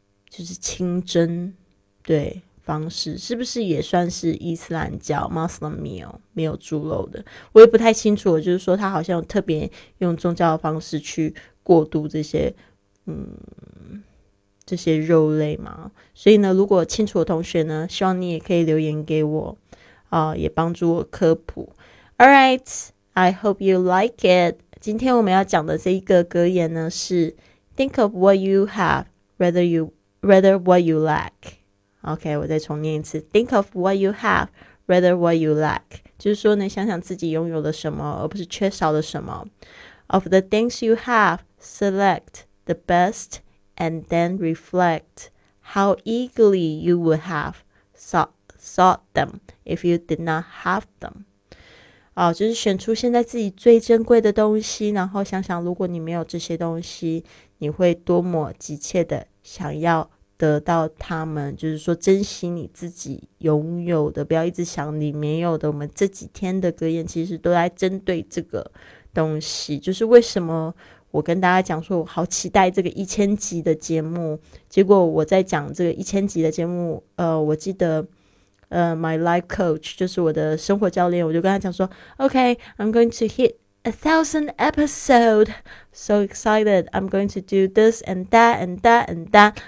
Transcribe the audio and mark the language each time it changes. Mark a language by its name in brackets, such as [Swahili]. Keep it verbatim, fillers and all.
[Chinese] 就是清真对方式，是不是也算是伊斯兰教 Muslim meal， 没有猪肉的，我也不太清楚。就是说他好像特别用宗教的方式去过渡这些嗯这些肉类嘛。所以呢，如果清楚的同学呢，希望你也可以留言给我啊、呃，也帮助我科普。 [English] Alright, I hope you like it。 [Chinese] 今天我们要讲的这一个格言呢是 [English] Think of what you have rather, you, rather what you lack。 [Chinese] OK, 我再重念一次 [English] Think of what you have rather what you lack， [Chinese] 就是说呢，想想自己拥有了什么，而不是缺少了什么。 [English] Of the things you have, select the best and then reflect how eagerly you would have sought, sought them if you did not have them、 [Chinese] 啊、就是选出现在自己最珍贵的东西，然后想想如果你没有这些东西，你会多么急切的想要得到他们。就是说珍惜你自己拥有的，不要一直想你没有的。我们这几天的格言其实都在针对这个东西，就是为什么我跟大家讲说我好期待这个一千集的节目，结果我在讲这个一千集的节目呃，我记得呃 [English] my life coach [Chinese] 就是我的生活教练，我就跟他讲说 [English] OK, I'm going to hit a thousand episode, so excited, I'm going to do this and that [Chinese] and that and that。